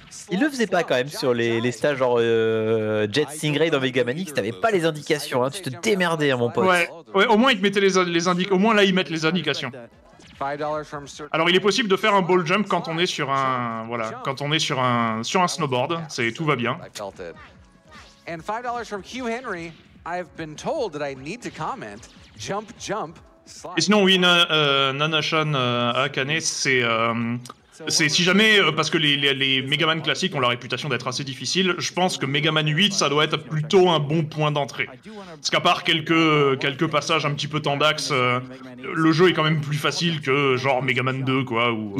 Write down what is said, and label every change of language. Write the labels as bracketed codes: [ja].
[fr] Il le faisait pas quand même sur les stages genre Jet Stingray dans Mega Man X, t'avais pas les indications. Hein, tu te démerdais, mon pote. Ouais, au moins ils te mettaient les indications. Alors il est possible de faire un ball jump quand on est sur un snowboard, c'est tout va bien. [en] And $5 from Q Henry, I've been told that I need to comment. [fr] Jump, slide. Et sinon oui, Nanashan Akane, c'est si jamais, parce que les Megaman classiques ont la réputation d'être assez difficiles, je pense que Megaman 8, ça doit être plutôt un bon point d'entrée. Parce qu'à part quelques passages un petit peu tendax, le jeu est quand même plus facile que genre Megaman 2, quoi.